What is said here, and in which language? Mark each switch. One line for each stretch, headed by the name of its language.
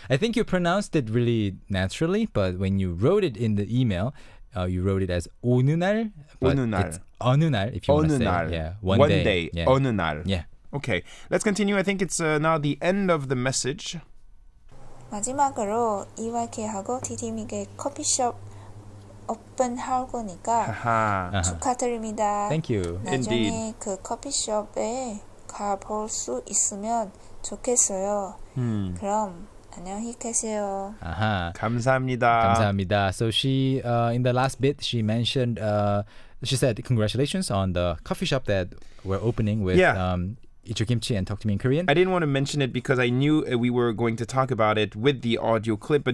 English: I think you pronounced it really naturally, but when you wrote it in the email, you wrote it as
Korean: 어느 날. 어느 날. It's 어느 날, if you want to say. 어느 날.
English: Yeah, one day. One day. Yeah.
Korean: 어느 날.
English: Yeah. Okay, let's continue. I think it's now the end of the message.
Korean: 마지막으로 이와케 하고 디디미게 커피숍 오픈하고니까 축하드립니다.
English: Thank you.
Korean: 나중에
English: Indeed.
Korean: 그 커피숍에 가볼 수 있으면 좋겠어요. 그럼 안녕히 계세요. 아하. 감사합니다. 감사합니다.
English: So she in the last bit she mentioned she said congratulations on the coffee shop that we're opening with yeah. Eat your kimchi and talk to me in Korean. I didn't want to mention it because I knew we were going to talk about it with the audio clip.